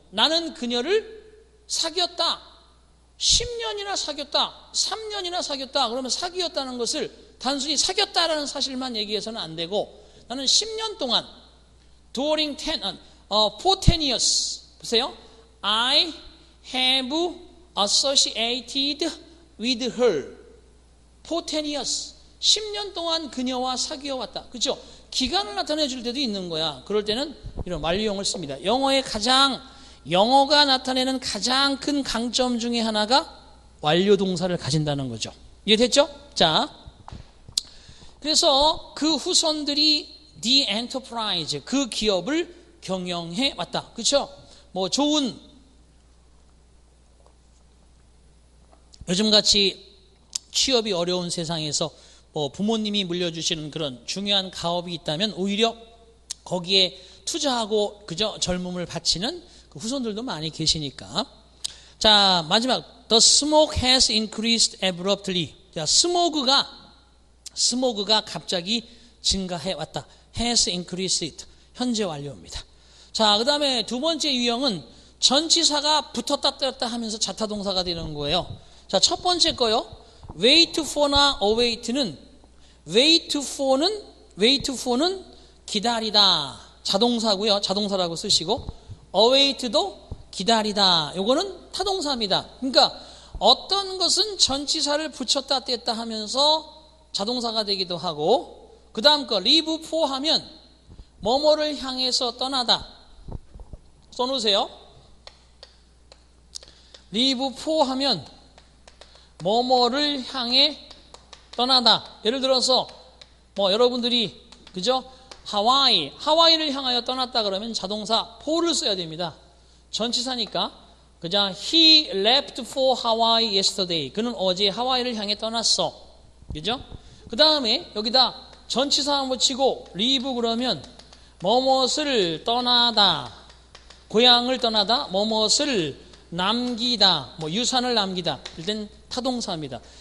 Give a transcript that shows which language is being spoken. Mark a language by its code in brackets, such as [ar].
[ko] 나는 그녀를 사귀었다. 10년이나 사귀었다. 3년이나 사귀었다. 그러면 사귀었다는 것을 단순히 사귀었다라는 사실만 얘기해서는 안 되고 나는 10년 동안 [en] during 10, for 10 years [ko] 보세요. [en] I have associated with her for 10 years. [ko] 10년 동안 그녀와 사귀어 왔다. 그죠? 기간을 나타내 줄 때도 있는 거야. 그럴 때는 이런 완료형을 씁니다. 영어의 가장, 영어가 나타내는 가장 큰 강점 중에 하나가 완료 동사를 가진다는 거죠. 이해됐죠? 자. 그래서 그 후손들이 the enterprise, 그 기업을 경영해 왔다. 그죠? 뭐 좋은, 요즘같이 취업이 어려운 세상에서 부모님이 물려주시는 그런 중요한 가업이 있다면 오히려 거기에 투자하고 그저 젊음을 바치는 그 후손들도 많이 계시니까. 자, 마지막. [en] The smoke has increased abruptly. [ko] 자, 스모그가 갑자기 증가해 왔다. Has increased. 현재 완료입니다. 자, 그 다음에 두 번째 유형은 전치사가 붙었다 뗐다 하면서 자타동사가 되는 거예요. 자, 첫 번째 거요. Wait for나 await는 wait for는 기다리다 자동사고요. 자동사라고 쓰시고 await도 기다리다. 요거는 타동사입니다. 그러니까 어떤 것은 전치사를 붙였다 뗐다 하면서 자동사가 되기도 하고 그 다음 거 leave for 하면 뭐뭐를 향해서 떠나다. 써놓으세요. leave for 하면 뭐뭐를 향해 떠나다. 예를 들어서 뭐 여러분들이 그죠? 하와이를 향하여 떠났다 그러면 자동사 for를 써야 됩니다. 전치사니까. 그죠? [en] He left for Hawaii yesterday. [ko] 그는 어제 하와이를 향해 떠났어. 그죠? 그 다음에 여기다 전치사 붙이고 leave 그러면 뭐뭐를 떠나다. 고향을 떠나다. 뭐뭐를 남기다. 뭐 유산을 남기다. 일단 타동사입니다.